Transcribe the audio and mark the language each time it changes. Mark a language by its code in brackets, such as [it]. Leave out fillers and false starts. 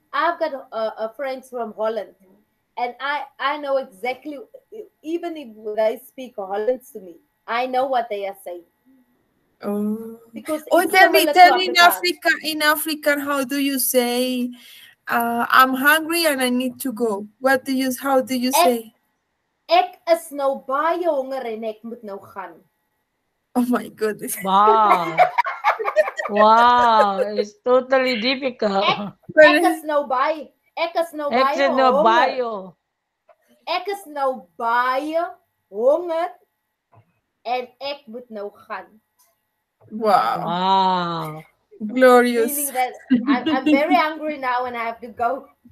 [en] I've got a friends from Holland, and I know exactly, even if they speak Holland to me, I know what they are saying. Because in African, how do you say, I'm hungry and I need to go? How do you say? [af] Ek is nou baie honger en ek moet nou gaan. [en] Oh my goodness. Wow. Wow. It's totally difficult. [af] Ek is nou baie honger en ek moet nou gaan. [en] Wow. Wow. Glorious. Meaning that I'm very hungry now and I have to go.